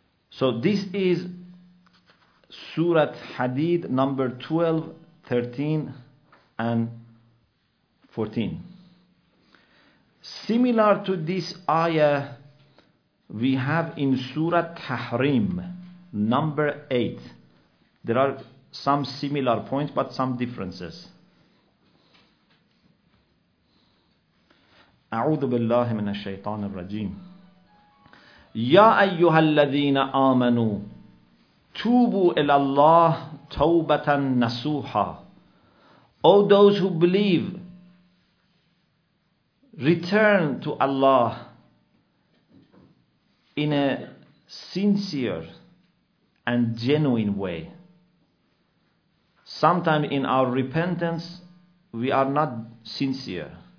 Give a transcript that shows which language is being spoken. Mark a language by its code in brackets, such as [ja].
[en] So this is Surat Hadid number 12, 13 and 14. Similar to this ayah, we have in Surat Tahrim number 8. There are some similar points but some differences. [ar] أعوذ بالله من الشيطان الرجيم يا أيها الذين آمنوا توبوا إلى الله توبة نصوحا. [en] O those who believe, return to Allah in a sincere and genuine way. Sometimes in our repentance we are not sincere.